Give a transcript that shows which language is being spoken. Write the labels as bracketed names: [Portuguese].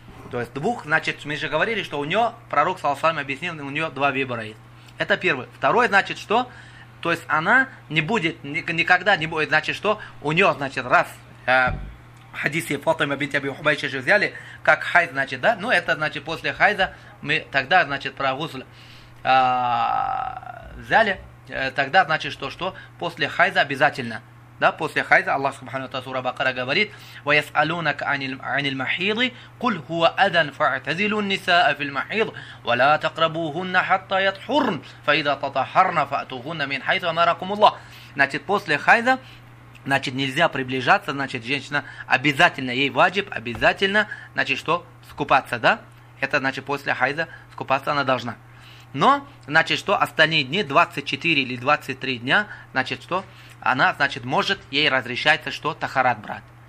[Russian] То есть двух, значит, мы же говорили, что у него, пророк, саллаллаху алейхи ва саллям, объяснил, у него два выбора есть. Это первое. Второе, значит, что? То есть она не будет, никогда не будет, значит, что? У нее, значит, раз хадисе Фатима бинт Аби Хубайша же взяли, как хайз, значит, да? Ну, это, значит, после хайза мы тогда, значит, про гусль взяли. Тогда, значит, что после хайза обязательно, да, после хайза Аллах Субхану Та Сура Бакара говорит: [Arabic] وَيَسْأَلُونَكَ عَنِ الْمَحِيضِ قُلْ هُوَ أَذًى فَاعْتَزِلُوا النِّسَاءَ فِي الْمَحِيضِ وَلَا تَقْرَبُوهُنَّ حَتَّى يَطْحُرْنَ فَإِذَا تَطَهَّرْنَ فَأْتُوهُنَّ مِنْ حَيْثُ أَمَرَكُمُ اللَّهُ. [Russian] Значит, после хайза, значит, нельзя приближаться, значит, женщина обязательно, ей ваджиб обязательно, значит, что скупаться, да, это значит после хайза скупаться она должна. Но, значит, что остальные дни, 24 или 23 дня, значит, что она, значит, может, ей разрешается, что тахарат брать.